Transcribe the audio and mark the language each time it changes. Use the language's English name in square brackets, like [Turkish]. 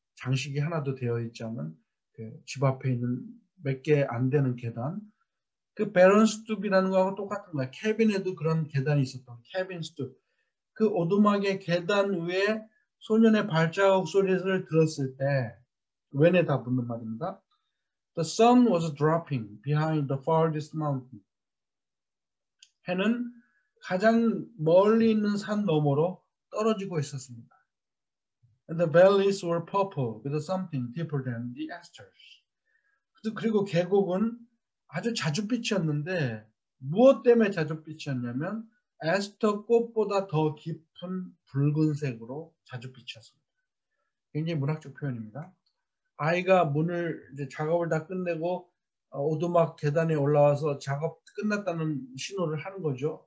[Korean] 장식이 하나도 되어 있지 않은 그 집 앞에 있는 몇 개 안 되는 계단. 그 barren stoop이라는 거하고 똑같은 거야. 캐빈에도 그런 계단이 있었던 cabin stoop. 그 오두막의 계단 위에 소년의 발자국 소리를 들었을 때 when에 다 붙는 말입니다. [English] The sun was dropping behind the farthest mountain. [Korean] 해는 가장 멀리 있는 산 너머로 떨어지고 있었습니다. [English] And the valleys were purple with something deeper than the asters. [Korean] 그리고 계곡은 아주 자줏빛이었는데 무엇 때문에 자줏빛이었냐면 에스터 꽃보다 더 깊은 붉은색으로 자주 비쳤습니다. 굉장히 문학적 표현입니다. 아이가 문을 이제 작업을 다 끝내고 오두막 계단에 올라와서 작업 끝났다는 신호를 하는 거죠.